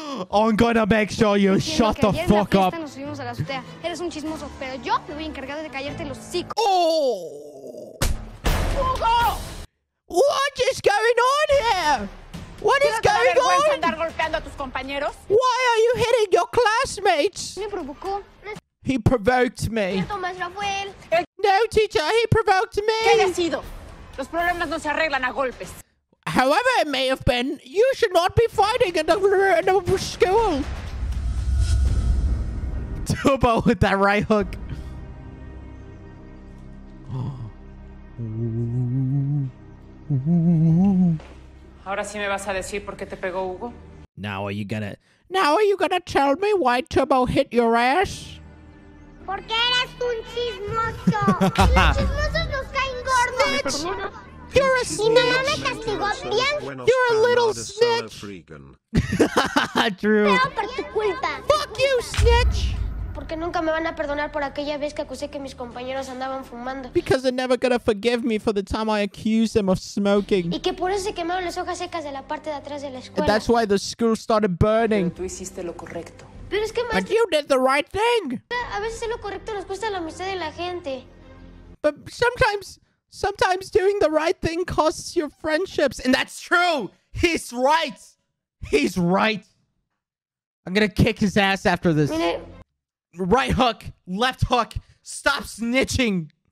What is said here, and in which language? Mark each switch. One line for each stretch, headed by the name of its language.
English: I'm gonna make sure you shut the fuck up.
Spanish: Eres un chismoso, pero yo me voy a encargar de callarte los hocico.
English: Oh! Hugo! What is going on here? What is going on?
Spanish: Andar golpeando a tus compañeros?
English: Why are you hitting your classmates?
Spanish: Me provocó.
English: He provoked me. No, teacher, he provoked me.
Spanish: ¿Qué ha sido? Los problemas no se arreglan a golpes.
English: However it may have been, you should not be fighting in the school. Tubo with that right hook.
Spanish: Ahora sí me vas a decir por qué te pegó Hugo.
English: Now are you gonna tell me why Turbo hit your ass?
Spanish: Porque eres un chismoso. Y los chismosos nos caen gordos.
English: You're a snitch.
Spanish: Y mamá me castigó bien.
English: You're a little snitch. True.
Spanish: Pero por tu culpa.
English: Fuck you, snitch.
Spanish: Porque nunca me van a perdonar por aquella vez que acusé que mis compañeros andaban fumando.
English: Because they're never gonna forgive me for the time I accused them of smoking.
Spanish: Y que por eso se quemaron las hojas secas de la parte de atrás de la escuela.
English: And that's why the school started burning.
Spanish: Pero tú hiciste lo correcto. Pero es que más...
English: But you did the right thing.
Spanish: A veces lo correcto nos cuesta la amistad de la gente.
English: But sometimes doing the right thing costs your friendships. And that's true. He's right. He's right. I'm gonna kick his ass after this. Right hook, left hook, stop snitching.